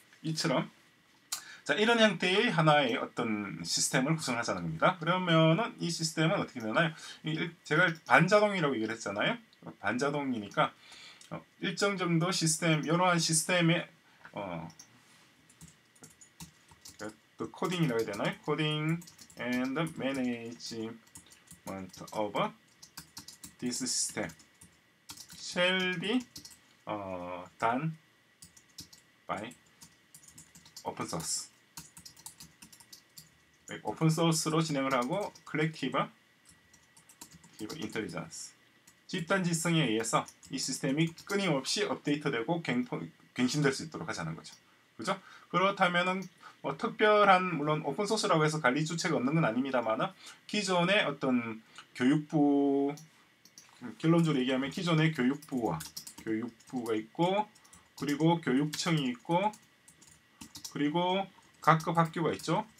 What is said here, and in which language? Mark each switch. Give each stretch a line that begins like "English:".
Korean: 이처럼 자 이런 형태의 하나의 어떤 시스템을 구성하자는 겁니다. 그러면은 이 시스템은 어떻게 되나요? 제가 반자동이라고 얘기를 했잖아요. 반자동이니까 일정 정도 시스템, 이러한 시스템의 또 코딩이라고 해야 되나요?
English: 코딩 and management of this system shall be done by open source.
Korean: 네, 오픈소스로 진행을 하고 collective intelligence 집단지성에 의해서 이 시스템이 끊임없이 업데이트되고 갱신될 수 있도록 하자는 거죠. 그죠? 그렇다면은 뭐 특별한 물론 오픈소스라고 해서 관리 주체가 없는 건 아닙니다만은 기존의 어떤 교육부 결론적으로 얘기하면 기존의 교육부와 교육부가 있고 그리고 교육청이 있고 그리고 각급 학교가 있죠.